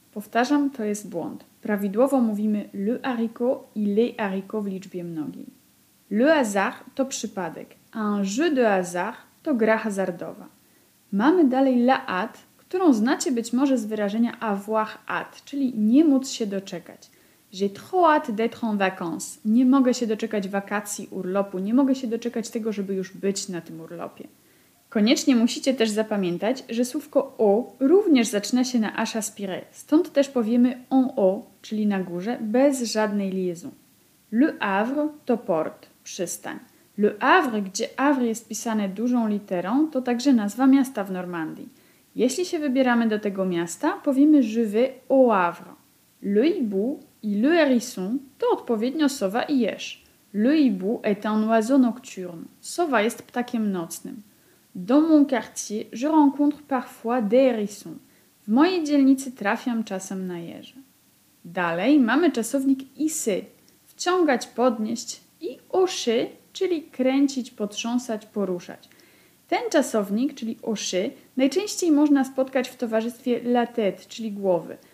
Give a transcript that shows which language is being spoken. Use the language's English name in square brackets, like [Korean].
[Polish] Powtarzam, to jest błąd. Prawidłowo mówimy le haricot i les haricots w liczbie mnogiej. Le hasard to przypadek. Un jeu de hasard to gra hazardowa. Mamy dalej la hâte, którą znacie być może z wyrażenia avoir hâte, czyli nie móc się doczekać. [French] J'ai trop hâte d'être en vacances. [Polish] Nie mogę się doczekać wakacji, urlopu. Nie mogę się doczekać tego, żeby już być na tym urlopie. Koniecznie musicie też zapamiętać, że słówko o również zaczyna się na h aspiré. Stąd też powiemy en haut, czyli na górze, bez żadnej liaison. Le Havre to port, przystań. Le Havre, gdzie Havre jest pisane dużą literą, to także nazwa miasta w Normandii. Jeśli się wybieramy do tego miasta, powiemy [French] je vais au Havre. [Polish] Le hibou i le hérisson to odpowiednio sowa i jeż. [French] Le hibou est un oiseau nocturne. [Polish] Sowa jest ptakiem nocnym. [French] Dans mon quartier, je rencontre parfois des hérissons. [Polish] W mojej dzielnicy trafiam czasem na jeże. Dalej mamy czasownik hisser, wciągać, podnieść, i hocher, czyli kręcić, potrząsać, poruszać. Ten czasownik, czyli oszy, najczęściej można spotkać w towarzystwie la tête, czyli głowy.